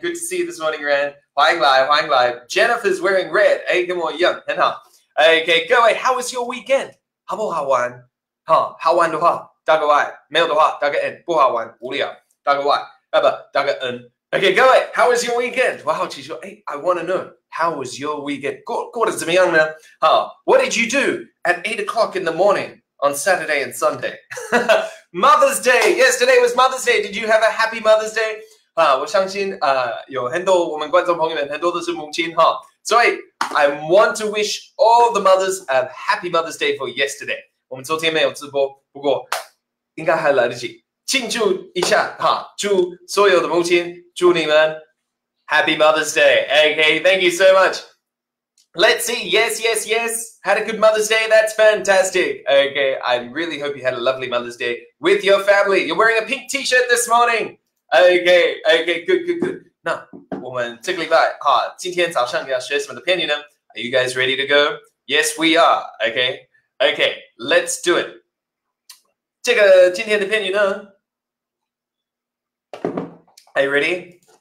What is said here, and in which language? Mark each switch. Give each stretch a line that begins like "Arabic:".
English: Good to see you this morning, Ran.
Chinese: 欢迎来，欢迎来。
English: Jennifer's wearing red.
Chinese: 哎，跟我一样，很好。Okay, 各位 ，
English: How was your weekend?
Chinese: 好不好玩？哈，好玩的话打个 Y， 没有的话打个 N。不好玩，无聊，打个 Y， 不，打个 N。
English: Okay, 各位 ，How was your weekend?
Chinese: 我好奇说，哎
English: ，I want to know how was your weekend?
Chinese: 过得怎么样呢？
English: 哈 ，What did you do at 8 o'clock in the morning on Saturday and Sunday? Mother's Day! Yesterday was Mother's Day! Did you have a happy Mother's Day?
Chinese: 啊，我相信啊，有很多我们观众朋友们很多都是母亲哈，所以
English: I want to wish all the mothers a happy Mother's Day for yesterday.
Chinese: 我们昨天没有直播，不过应该还来得及庆祝一下哈，祝所有的母亲，祝你们
English: happy Mother's Day. Okay, thank you so much. Let's see. Yes, yes, yes. Had a good Mother's Day, that's fantastic. Okay, I really hope you had a lovely Mother's Day with your family. You're wearing a pink t-shirt this morning. Okay, good, good, good.
Chinese: 那我们这个礼拜哈，今天早上要学什么的片语呢？
English: Are you guys ready to go? Yes, we are. Okay, let's do it.
Chinese: 这个今天的片语呢？
English: Are you ready?